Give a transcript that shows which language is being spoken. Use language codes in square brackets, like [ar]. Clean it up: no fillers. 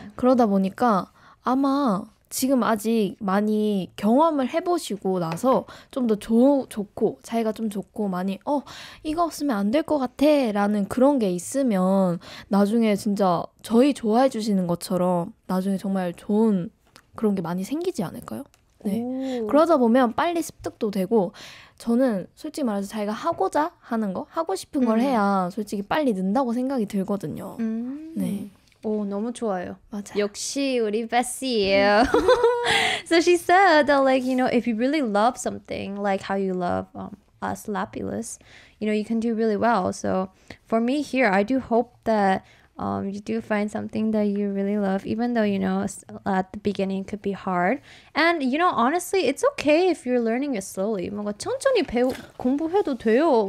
[ko] 그러다 보니까 아마 지금 아직 많이 경험을 해보시고 나서 좀 더 좋고 자기가 좀 좋고 많이 이거 없으면 안 될 것 같아 라는 그런 게 있으면 나중에 진짜 저희 좋아해 주시는 것처럼 나중에 정말 좋은 그런 게 많이 생기지 않을까요? 네. 그러다 보면 빨리 습득도 되고 저는 솔직히 말해서 자기가 하고자 하는 거 하고 싶은 걸 해야 솔직히 빨리 는다고 생각이 들거든요. 네. 오, 너무 좋아요. 맞아. 역시 우리 베시예요. [en] So she said that like, you know, if you really love something, like how you love us Lapilus, you know, you can do really well. So for me here, I do hope that you do find something that you really love, even though, you know, at the beginning it could be hard. And, you know, honestly, it's okay if you're learning it slowly. [ko] 뭔가 천천히 공부해도 돼요.